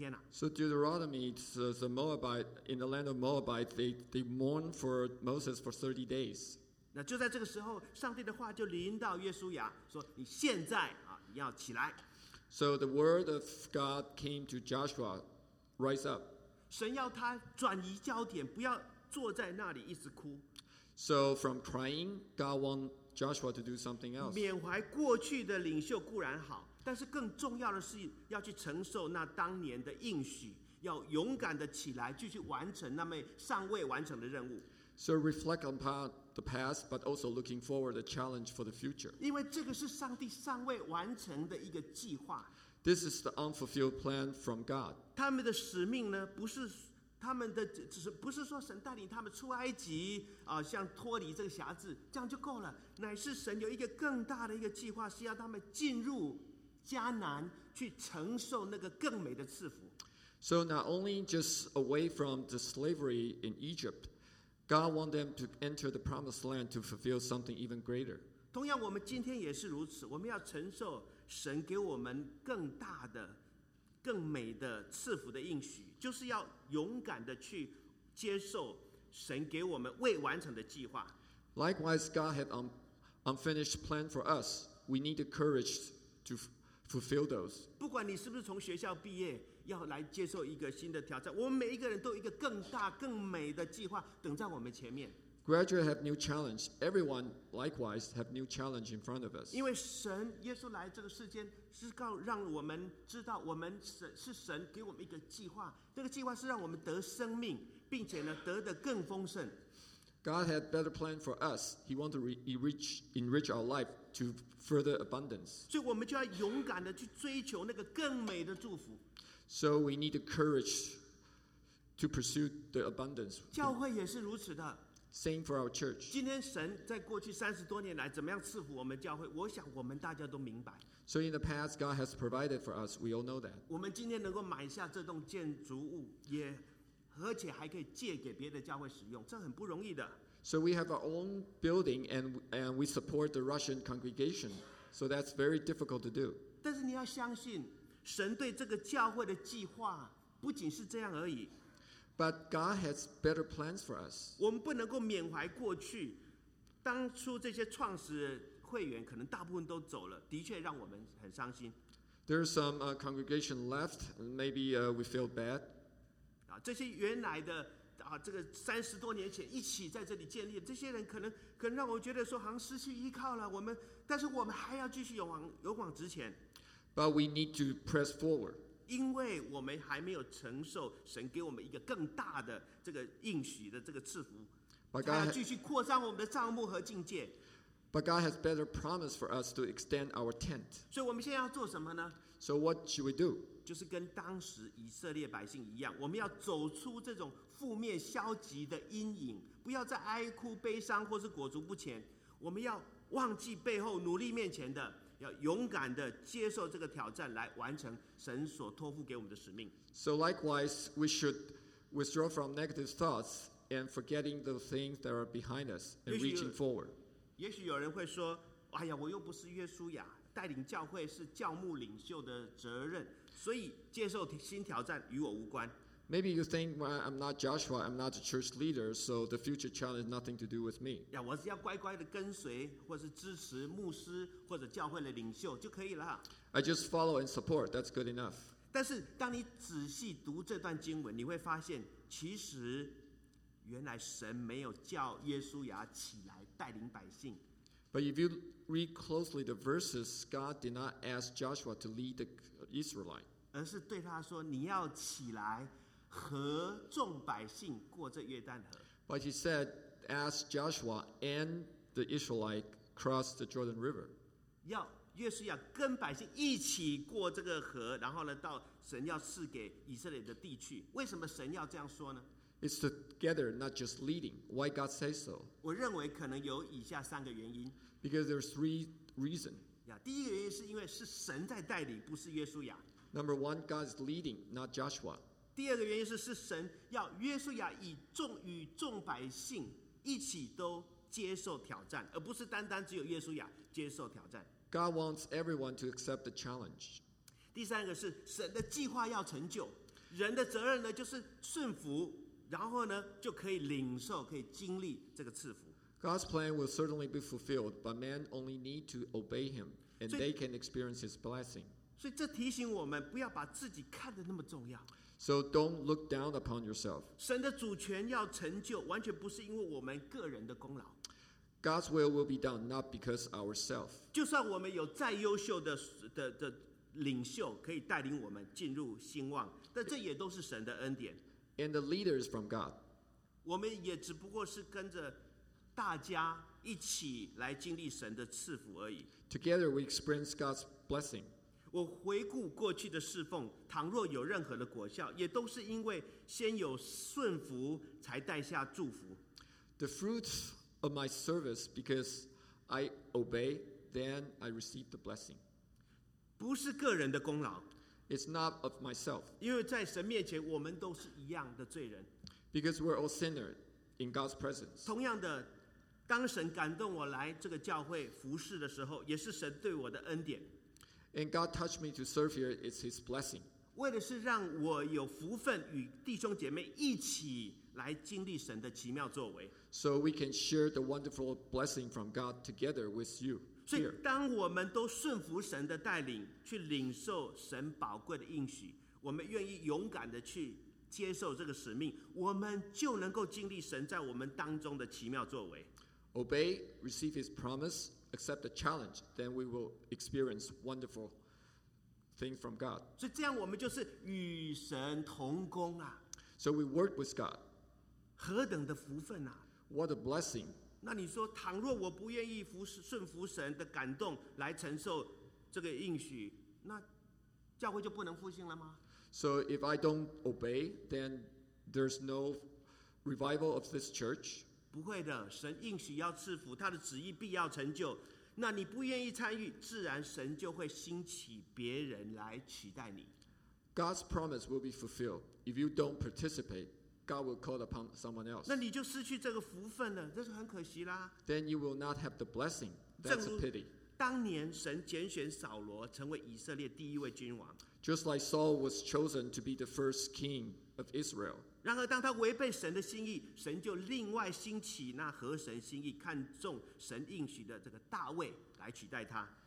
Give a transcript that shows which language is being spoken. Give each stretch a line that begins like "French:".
English: So Deuteronomy says the Moabite in the land of Moabite, they mourn for Moses for 30 days.
Chinese: 那就在这个时候，上帝的话就临到约书亚，说你现在啊，你要起来。
English: So the word of God came to Joshua, rise up.
Chinese: 神要他转移焦点，不要坐在那里一直哭。
English: So from crying, God wants Joshua to do something else.
Chinese: 缅怀过去的领袖固然好。但是更重要的是要去承受那当年的应许，要勇敢的起来，继续完成那么尚未完成的任务。
English: So reflect on the past, but also looking forward the challenge for the future.
Chinese: 因为这个是上帝尚未完成的一个计划。
English: This is the unfulfilled plan from God.
Chinese: 他们的使命呢，不是他们的，只是不是说神带领他们出埃及啊，像脱离这个辖制这样就够了，乃是神有一个更大的一个计划，是要他们进入。迦南去承受那个更美的赐福。
English: So not only just away from the slavery in Egypt, God wants them to enter the promised land to fulfill something even greater.
Chinese: 同样，我们今天也是如此。我们要承受神给我们更大的、更美的赐福的应许，就是要勇敢的去接受神给我们未完成的计划。
English: Likewise, God had an unfinished plan for us. We need the courage to fulfill those.
Chinese: 不管你是不是从学校毕业，要来接受一个新的挑战，我们每一个人都有一个更大、更美的计划等在我们前面。
English: Graduate have new challenge. Everyone likewise have new challenge in front of us.
Chinese: 因为神耶稣来这个世间，是告让我们知道，我们是神给我们一个计划。这个计划是让我们得生命，并且呢得的更丰盛。
English: God had better plan for us. He wants to enrich our life to further abundance.
Chinese: 所以我们就要勇敢的去追求那个更美的祝福。
English: So we need the courage to pursue the abundance.
Chinese: 教会也是如此的。
English: Same for our church.
Chinese: 今天神在过去30多年来怎么样赐福我们教会，我想我们大家都明白。
English: So in the past, God has provided for us. We all know that.
Chinese: 我们今天能够买下这栋建筑物，也而且还可以借给别的教会使用，这很不容易的。
English: So we have our own building and we support the Russian congregation, so that's very difficult to do.
Chinese: 但是你要相信，神对这个教会的计划不仅是这样而已。
English: But God has better plans for us.
Chinese: 我们不能够缅怀过去，当初这些创始会员可能大部分都走了，的确让我们很伤心。
English: There are some congregation left, maybe we feel bad.
Chinese: 这些原来的啊，这个30多年前一起在这里建立的这些人，可能让我觉得说好像失去依靠了。我们，但是我们还要继续勇往直前。
English: But we need to press forward.
Chinese: 因为我们还没有承受神给我们一个更大的这个应许的这个赐福，还要继续扩张我们的帐幕和境界。
English: But God has better promise for us to extend our tent.
Chinese: 所以我们现在要做什么呢？
English: So what should we do?
Chinese: 就是跟当时以色列百姓一样，我们要走出这种负面消极的阴影，不要再哀哭悲伤或是裹足不前。我们要忘记背后，努力面前的，要勇敢的接受这个挑战，来完成神所托付给我们的使命。
English: So likewise, we should withdraw from negative thoughts and forgetting the things that are behind us and reaching forward.
Chinese: 也许有人会说，哎呀，我又不是约书亚，带领教会是教牧领袖的责任，所以接受新挑战与我无关。
English: Maybe you think, well, I'm not Joshua, I'm not a church leader, so the future challenge has nothing to do with me.
Chinese: 呀，我只要乖乖的跟随或是支持牧师或者教会的领袖就可以了。
English: I just follow and support, that's good enough.
Chinese: 但是当你仔细读这段经文，你会发现其实原来神没有叫耶稣亚起来带领百姓。
English: But if you read closely the verses, God did not ask Joshua to lead the Israelite.
Chinese: 而是对他说，你要起来和众百姓过这约旦河。
English: But he said, ask Joshua and the Israelite cross the Jordan River.
Chinese: 要约书亚跟百姓一起过这个河，然后呢，到神要赐给以色列的地去。为什么神要这样说呢？
English: It's together, not just leading. Why God says so?
Chinese: 我认为可能有以下三个原因。
English: Because there are three reasons.
Chinese: 第一个原因是因为是神在带领，不是约书亚。
English: Number one, God is leading, not Joshua.
Chinese: 第二个原因是神要约书亚与众百姓一起都接受挑战，而不是单单只有约书亚接受挑战。
English: God wants everyone to accept the challenge.
Chinese: 第三个是神的计划要成就，人的责任呢就是顺服。然后呢，就可以领受，可以经历这个赐福。
English: God's plan will certainly be fulfilled, but men only need to obey Him, and they can experience His blessing.
Chinese: 所以这提醒我们，不要把自己看得那么重要。
English: So don't look down upon yourself.
Chinese: 神的主权要成就，完全不是因为我们个人的功劳。
English: God's will be done, not because ourselves.
Chinese: 就算我们有再优秀的领袖，可以带领我们进入兴旺，但这也都是神的恩典。
English: And the leader is from God.
Chinese: 我们也只不过是跟着大家一起来经历神的赐福而已。
English: Together we experience God's blessing.
Chinese: 我回顾过去的侍奉，倘若有任何的果效，也都是因为先有顺服，才带下祝福。
English: The fruits of my service, because I obey, then I receive the blessing.
Chinese: 不是个人的功劳。
English: It's not of myself.
Chinese: 因为在神面前，我们都是一样的罪人。
English: Because we're all sinners in God's presence.
Chinese: 同样的，当神感动我来这个教会服事的时候，也是神对我的恩典。
English: And God touched me to serve here. It's His blessing.
Chinese: 为的是让我有福分与弟兄姐妹一起来经历神的奇妙作为。
English: So we can share the wonderful blessing from God together with you.
Chinese: 所以当我们都顺服神的带领，去领受神宝贵的应许，我们愿意勇敢的去接受这个使命，我们就能够经历神在我们当中的奇妙作为。
English: Obey, receive His promise, accept the challenge, then we will experience wonderful things from God.
Chinese: 所以这样我们就是与神同工啊。
English: So we work with God.
Chinese: 何等的福分啊。
English: What a blessing.
Chinese: 那你说，倘若我不愿意顺服神的感动来承受这个应许，那教会就不能复兴了吗
English: ？So if I don't obey, then there's no revival of this church.
Chinese: 不会的，神应许要赐福，他的旨意必要成就。那你不愿意参与，自然神就会兴起别人来取代你。
English: God's promise will be fulfilled if you don't participate. God will call upon someone else.
Chinese: 那你就失去这个福分了，这是很可惜啦。
English: Then you will not have the blessing. That's a pity.
Chinese: 当年神拣选扫罗成为以色列第一位君王。
English: Just like Saul was chosen to be the first king of Israel.
Chinese: 然而当他违背神的心意，神就另外兴起那合神心意、看重神应许的这个大卫来取代他。